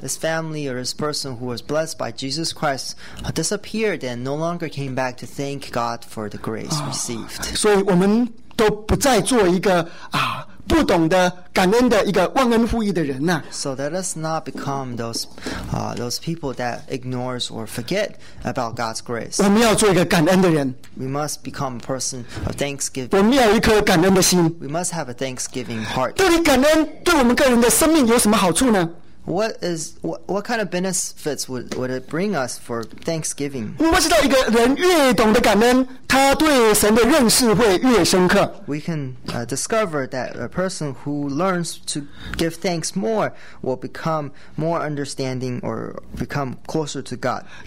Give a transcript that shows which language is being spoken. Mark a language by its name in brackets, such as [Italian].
[English] This family or this person who was blessed by Jesus Christ disappeared and no longer came back to thank God for the grace received. [Chinese] 所以我们都不再做一个不懂得感恩的一个忘恩负义的人呐。 [English] So let us not become those people that ignores or forget about God's grace. [Chinese] 我们要做一个感恩的人。 [English] We must become a person of thanksgiving. [Chinese] 我们要有一颗感恩的心。 [English] We must have a thanksgiving heart. [Chinese] 到底感恩对我们个人的生命有什么好处呢？ [English] What kind of benefits would it bring us for Thanksgiving? [Chinese] 我们知道一个人越懂得感恩，他对神的认识会越深刻。 [English] We can discover that a person who learns to give thanks more will become more understanding or become closer to God.